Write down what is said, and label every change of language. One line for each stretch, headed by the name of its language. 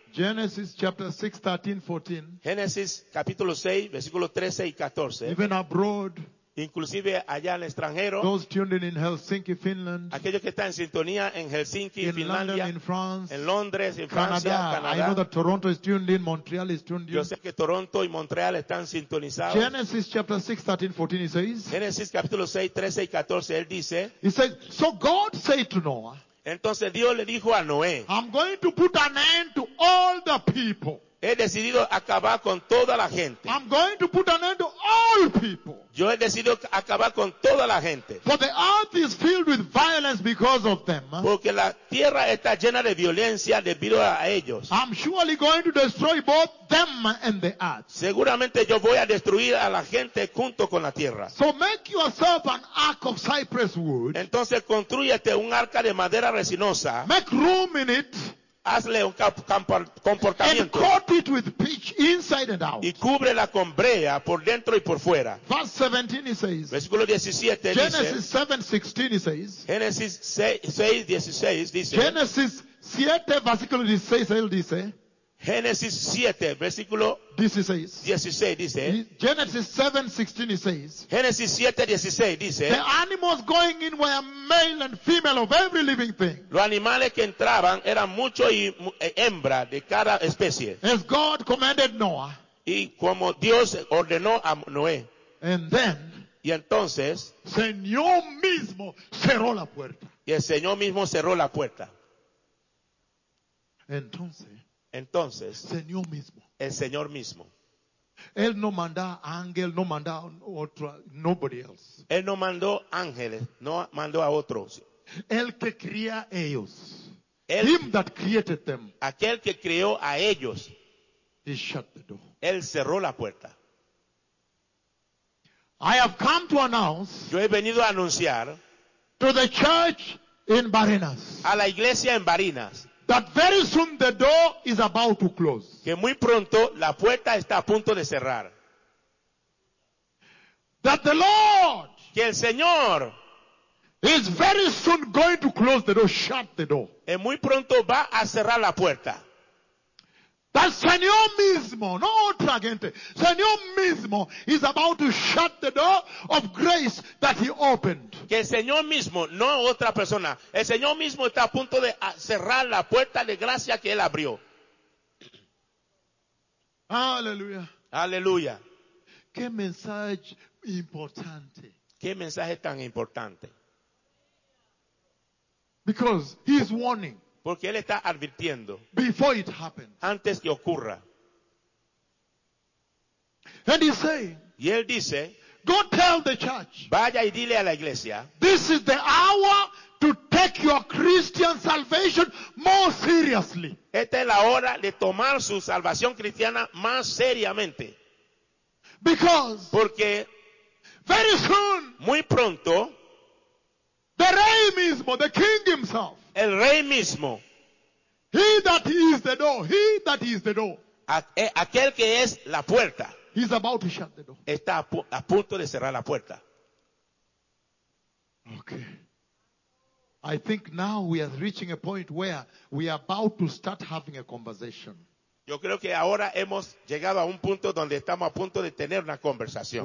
English: Genesis chapter 6, 13, 14.
Spanish: Génesis capítulo 6 versículo 13 y 14.
English: Even abroad.
Spanish: Inclusive allá en el extranjero,
English: those tuned in Helsinki, Finland,
Spanish: aquellos que están en sintonía en Helsinki,
English: in
Spanish: Finlandia,
English: London, in France,
Spanish: en Londres, en Francia, Canadá.
English: I know that Toronto is tuned in, Montreal is tuned in.
Spanish: Yo sé que Toronto y Montreal están sintonizados.
English: Genesis chapter 6, 13, 14, he says,
Spanish: Genesis capítulo 6, 13 y 14, él dice,
English: he says, so God said to Noah,
Spanish: entonces Dios le dijo a Noé,
English: I'm going to put an end to all the people.
Spanish: He decidido acabar con toda la gente.
English: I'm going to put an end to all people.
Spanish: Yo he decidido acabar con toda la gente.
English: For the earth is filled with violence because of them.
Spanish: Porque la tierra está llena de violencia debido a ellos.
English: I'm surely going to destroy both them and the earth.
Spanish: Seguramente yo voy a destruir a la gente junto con la tierra.
English: So make yourself an ark of cypress wood.
Spanish: Entonces construyete un arca de madera resinosa.
English: Make room in it.
Spanish: Hazle un comportamiento.
English: And coat it with pitch inside and out.
Spanish: Y cúbrela con brea por dentro y por fuera.
English: Verse 17 he says.
Spanish: Versículo 17 Genesis dice.
English: Genesis 7:16 he says.
Spanish: Genesis 6:16 dice. Genesis 7 versículo 16 él dice. Genesis 7 versículo 16
English: Genesis 7:16 he says.
Spanish: Genesis 7:16 dice.
English: The animals going in were male and female of every living thing.
Spanish: Los animales que entraban eran mucho y hembra de cada especie.
English: As God commanded Noah.
Spanish: Y como Dios ordenó a Noé.
English: And then.
Spanish: Y entonces. Señor mismo cerró la puerta. Y el Señor mismo cerró la puerta. Entonces. Entonces, Señor mismo. El Señor mismo. Él no manda ángel, no manda otro,
English: nobody else.
Spanish: Él no mandó ángeles, no mandó a otros. El que cría ellos. él,
English: him that created them,
Spanish: aquel que creó a ellos,
English: he shut the door.
Spanish: Él cerró la puerta.
English: I have come to announce,
Spanish: yo he venido a anunciar,
English: to the church in Barinas,
Spanish: a la iglesia en Barinas,
English: that very soon the door is about to close.
Spanish: Que muy pronto la puerta está a punto de cerrar.
English: That the Lord,
Spanish: que el Señor,
English: is very soon going to close the door, shut the door.
Spanish: Y muy pronto va a cerrar la puerta.
English: That
Spanish: Señor mismo, no otra gente, Señor mismo
English: is about to shut the door of grace that he opened.
Spanish: Que el Señor mismo, no otra persona, el Señor mismo está a punto de cerrar la puerta de gracia que él abrió. Aleluya. Aleluya. Qué mensaje importante. Qué mensaje tan importante.
English: Because he is warning.
Spanish: Porque él está advirtiendo.
English: Before it happens.
Spanish: Antes que ocurra.
English: And he's saying,
Spanish: y él dice,
English: go tell the church.
Spanish: Vaya y dile a la iglesia.
English: This is the hour to take your Christian salvation more seriously.
Spanish: Esta es la hora de tomar su salvación cristiana más seriamente.
English: Because
Spanish: porque
English: very soon,
Spanish: muy pronto,
English: the
Spanish: rey mismo,
English: the king himself,
Spanish: el rey mismo,
English: he that is the door, he that is the door,
Spanish: aquel que es la puerta,
English: he's about to shut the door,
Spanish: está a punto de cerrar la puerta.
English: Okay. I think now we are reaching a point where we are about to start having a conversation.
Spanish: Yo creo que ahora hemos llegado a un punto donde estamos a punto de tener una conversación.